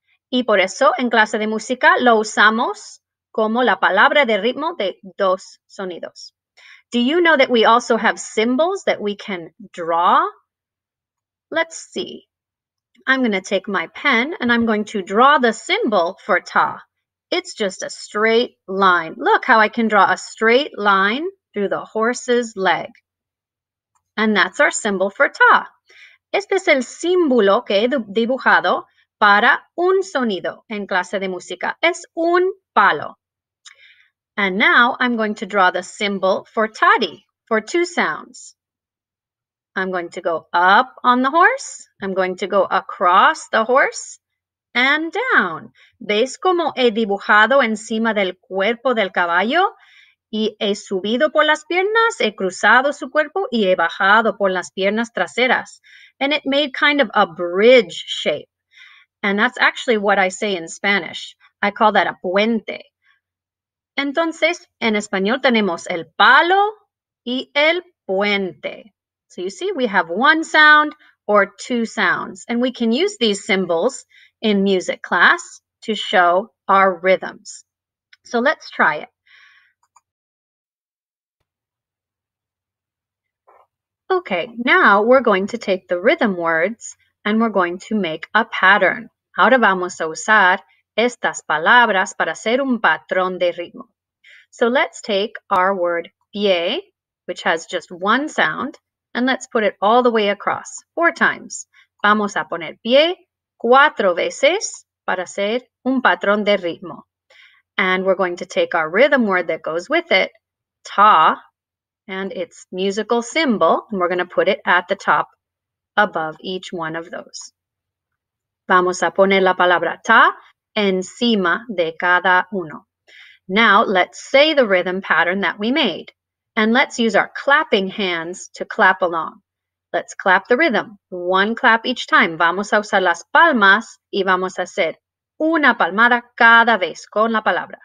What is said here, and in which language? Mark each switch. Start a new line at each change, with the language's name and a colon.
Spanish: Y por eso en clase de música lo usamos como la palabra de ritmo de dos sonidos.
English: Do you know that we also have symbols that we can draw? Let's see. I'm going to take my pen and I'm going to draw the symbol for ta. It's just a straight line. Look how I can draw a straight line through the horse's leg. And that's our symbol for ta.
Spanish: Este es el símbolo que he dibujado para un sonido en clase de música. Es un palo.
English: And now I'm going to draw the symbol for tadi for two sounds. I'm going to go up on the horse. I'm going to go across the horse and down.
Spanish: ¿Ves cómo he dibujado encima del cuerpo del caballo? Y he subido por las piernas, he cruzado su cuerpo y he bajado por las piernas traseras.
English: And it made kind of a bridge shape. And that's actually what I say in Spanish. I call that a puente.
Spanish: Entonces, en español tenemos el palo y el puente.
English: So you see, we have one sound or two sounds, and we can use these symbols in music class to show our rhythms. So let's try it. Okay, now we're going to take the rhythm words and we're going to make a pattern.
Spanish: Ahora vamos a usar estas palabras para hacer un patrón de ritmo.
English: So let's take our word pie, which has just one sound, and let's put it all the way across four times.
Spanish: Vamos a poner pie cuatro veces para hacer un patrón de ritmo.
English: And we're going to take our rhythm word that goes with it, ta, and its musical symbol, and we're going to put it at the top above each one of those.
Spanish: Vamos a poner la palabra ta encima de cada uno.
English: Now let's say the rhythm pattern that we made, and let's use our clapping hands to clap along. Let's clap the rhythm, one clap each time.
Spanish: Vamos a usar las palmas y vamos a hacer una palmada cada vez con la palabra.